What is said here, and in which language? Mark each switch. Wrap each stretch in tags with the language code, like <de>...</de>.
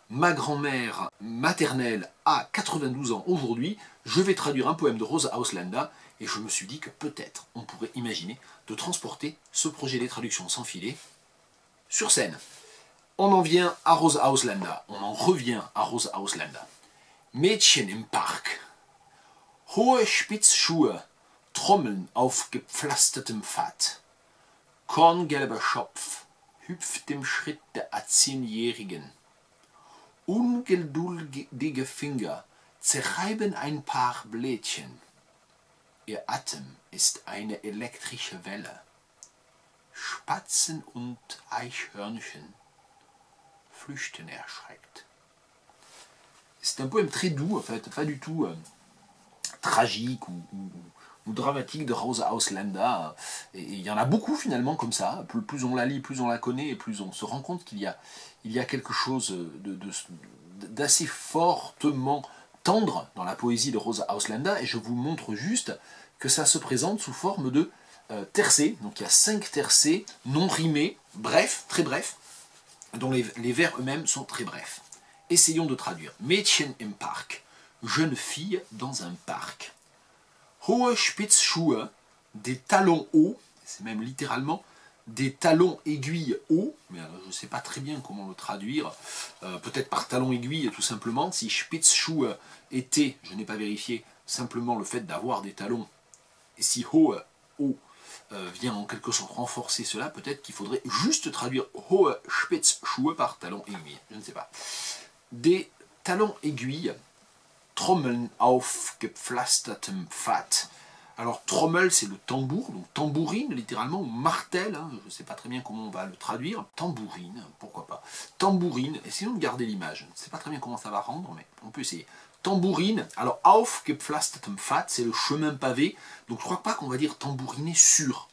<fr>Ma grand-mère maternelle a 92 ans aujourd'hui. Je vais traduire un poème de Rose Ausländer et je me suis dit que peut-être on pourrait imaginer de transporter ce projet des traductions sans filet sur scène. On en vient à Rose Ausländer, on en revient à Rose Ausländer.</fr> <de>Mädchen im Park. Hohe Spitzschuhe trommeln auf gepflastertem Pfad. Korngelber Schopf hüpft dem Schritt der Zehnjährigen. Ungeduldige Finger zerreiben ein paar Blättchen. Ihr Atem ist eine elektrische Welle. Spatzen und Eichhörnchen flüchten erschreckt.</de> <fr>C'est un poème très doux, en fait, pas du tout tragique ou dramatique de Rosa Ausländer. Et il y en a beaucoup finalement comme ça. Plus on la lit, plus on la connaît, et plus on se rend compte qu'il y a quelque chose d'assez fortement tendre dans la poésie de Rosa Ausländer, et je vous montre juste que ça se présente sous forme de tercets. Donc il y a 5 tercets non rimés, bref, très bref, dont les vers eux-mêmes sont très brefs. Essayons de traduire.</fr> <de>Mädchen im Park.</de> <fr>Jeune fille dans un parc.</fr> <de>Hohe Spitzschuhe.</de> <fr>Des talons hauts. C'est même littéralement des talons aiguilles hauts, mais je ne sais pas très bien comment le traduire, peut-être par talons aiguilles tout simplement, si Spitzschuhe était, je n'ai pas vérifié, simplement le fait d'avoir des talons, et si haut, haut, vient en quelque sorte renforcer cela, peut-être qu'il faudrait juste traduire</fr> <de>Hohe Spitzschuhe</de> <fr>par talon aiguille, je ne sais pas. Des talons aiguilles,</fr> <de>Trommeln auf gepflastertem Pfad.</de> <fr>Alors Trommel, c'est le tambour, donc tambourine littéralement, ou martel, hein, je ne sais pas très bien comment on va le traduire. Tambourine, pourquoi pas. Tambourine, essayons de garder l'image, je ne sais pas très bien comment ça va rendre, mais on peut essayer. Tambourine, alors</fr> <de>auf gepflastertem Pfad,</de> <fr>c'est le chemin pavé, donc je ne crois pas qu'on va dire tambouriner sur.</fr>